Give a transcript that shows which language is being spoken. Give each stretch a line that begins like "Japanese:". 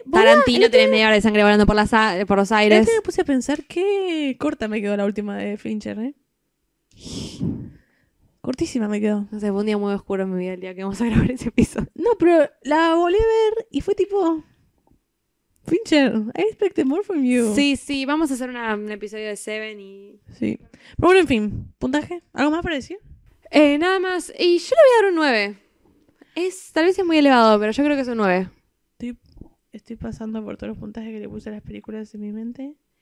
Spanish: Tarantino tiene media hora de sangre volando por los aires. Me puse a pensar qué corta me quedó la última de Fincher, Cortísima me quedó. No sé, fue un día muy oscuro en mi vida el día que vamos a grabar ese piso. No, pero la volví a ver y fue tipo.
English: Fincher, I expected more from you.
Spanish: Sí, sí, vamos a hacer un episodio de Seven y. Sí. Pero bueno, en fin, puntaje. ¿Algo más para decir? Nada más. Y yo le voy a dar un 9. Tal vez es muy elevado, pero yo creo que es un 9. Estoy pasando por todos los puntajes que le puse a las películas en mi mente.